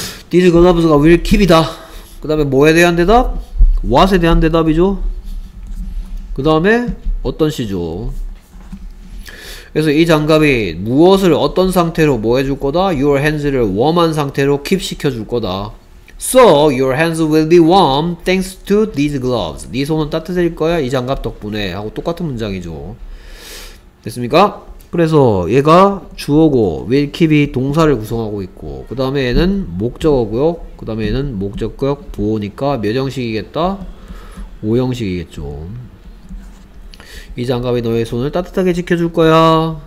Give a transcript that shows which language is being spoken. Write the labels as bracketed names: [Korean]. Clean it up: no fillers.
[English] These gloves will keep 이다. [Korean] 그 다음에 뭐에 대한 대답? What에 대한 대답이죠. 그 다음에 어떤 시죠. 그래서 이 장갑이 무엇을 어떤 상태로 뭐 해줄 거다? Your hands를 warm한 상태로 keep 시켜줄 거다. [English] So your hands will be warm thanks to these gloves. [Korean] 네 손은 따뜻해질 거야 이 장갑 덕분에 하고 똑같은 문장이죠. 됐습니까? 그래서 얘가 주어고 will keep이 동사를 구성하고 있고 그 다음에 얘는 목적어고요. 그 다음에 얘는 목적격 보호니까 몇 형식이겠다? 5형식이겠죠. 이 장갑이 너의 손을 따뜻하게 지켜줄 거야.